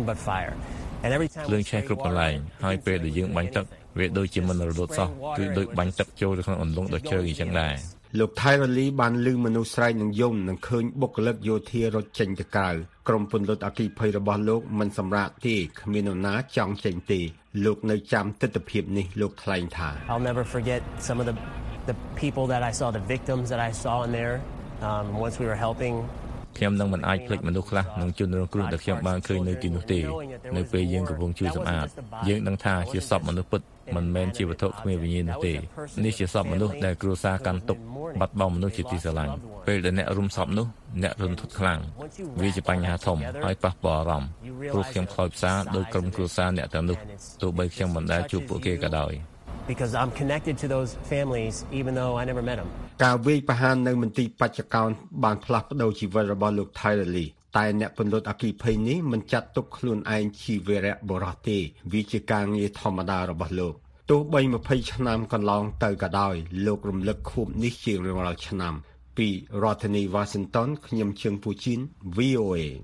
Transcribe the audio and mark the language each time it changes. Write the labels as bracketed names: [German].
[Khmer] ភ្លើងឆេះគ្រប់កន្លែងហើយពេលដែលយើងបាញ់ទឹកវាដូចជាមិនរលត់សោះគឺដូចបាញ់ទឹកចូលទៅក្នុងអន្លង់ដ៏ជ្រៅអ៊ីចឹងដែរ លោក Turley បានលឺមនុស្សស្រែកនឹងយំនិងឃើញបុគ្គលិកយោធារត់ចេញទៅក្រៅក្រុមពន្លត់អគ្គីភ័យរបស់លោកមិនសម្រាកទេគ្មាននរណាចង់ចេញទេលោកនៅចាំទិដ្ឋភាពនេះលោកថ្លែងថា [English] I'll never forget some of the people that I saw the victims that I saw in there once we were helping [Khmer] ខ្ញុំនឹងមិនអាចភ្លេចមនុស្សខ្លះនឹងជន់រងគ្រោះដែលខ្ញុំបានឃើញនៅទីនោះទេនៅពេលយើងកំពុងជួយសម្អាតយើងនឹងថាជាសពមនុស្សពិតមិនមែនជាវត្ថុគ្មានវិញ្ញាណនោះទេនេះជាសពមនុស្សដែលគ្រួសារកាន់ទុក្ខបាត់បង់មនុស្សជាទីស្រឡាញ់ពេលដែលអ្នករុំសពនោះអ្នករន្ធត់ខ្លាំងវាជាបញ្ហាធំហើយប៉ះពាល់អារម្មណ៍ព្រោះខ្ញុំខ្លោចផ្សាដោយក្រុមគ្រួសារអ្នកទាំងនោះទោះបីខ្ញុំមិនដែលជួបពួកគេក៏ដោយ [English] Because I'm connected to those families even though I never met them. [Khmer] ការវាយប្រហារនៅមន្ទីរបច្ចកោនបានផ្លាស់ប្តូរជីវិតរបស់លោក Turley តែអ្នកពន្លត់អគីភ័យនេះមិនចាត់ទុកខ្លួនឯងជាវីរៈបុរសទេវាជាការងារធម្មតារបស់លោកទោះបី20ឆ្នាំកន្លងទៅក៏ដោយលោករំលឹកខួបនេះជារៀងរាល់ឆ្នាំពីរដ្ឋធានី Washington ខ្ញុំជើងពូជីន VOA